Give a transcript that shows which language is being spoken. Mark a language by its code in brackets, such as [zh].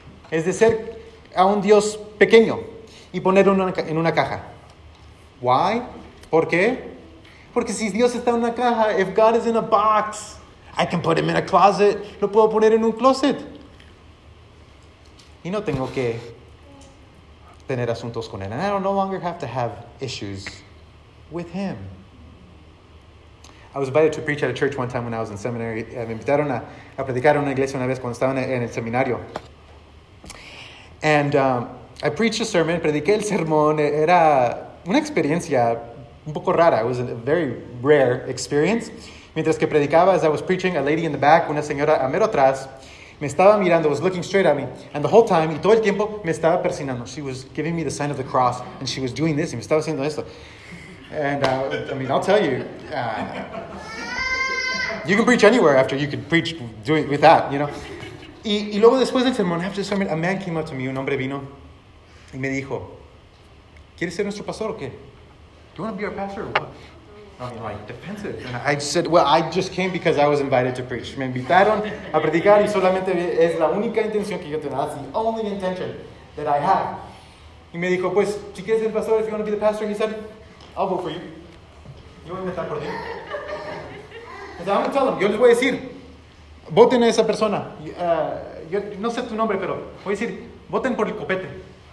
[es] Es de ser a un Dios pequeño y ponerlo en una caja. Why? ¿Por qué? Porque si Dios está en una caja, [en] if God is in a box, [es] I can put him in a closet. Lo puedo poner en un closet. Y no tengo que tener asuntos con él. [en] And I don't no longer have to have issues with him. I was invited to preach at a church one time when I was in seminary. [es] Me invitaron a predicar a una iglesia una vez cuando estaba en el seminario. [en] And I preached a sermon, [es] prediqué el sermón. Era una experiencia un poco rara. [en] It was a very rare experience. [es] Mientras que predicaba, [en] as I was preaching, a lady in the back, [es] una señora a mero atrás, me estaba mirando, [en] was looking straight at me. And the whole time, [es] y todo el tiempo, me estaba persignando. [en] She was giving me the sign of the cross, and she was doing this, [es] y me estaba haciendo esto. [en] And, I mean, I'll tell you, you can preach anywhere after you can preach doing with that, you know. [es] Y luego después del sermón, [en] after the sermon, a man came up to me, [es] un hombre vino, y me dijo, ¿quieres ser nuestro pastor o qué? [en] Do you want to be our pastor or what? I'm like defensive. And I said, well, I just came because I was invited to preach. [es] Me invitaron a predicar y solamente es la única intención que yo tengo. [en] That's the only intention that I have. [es] Y me dijo, pues, si quieres ser pastor, [en] if you want to be the pastor, he said, I'll vote for you. [es] Yo voy a votar por ti. [en] I said, I'm going to tell him. [es] Yo les voy a decir, voten a esa persona. Yo no sé tu nombre, pero voy a decir, voten por el copete.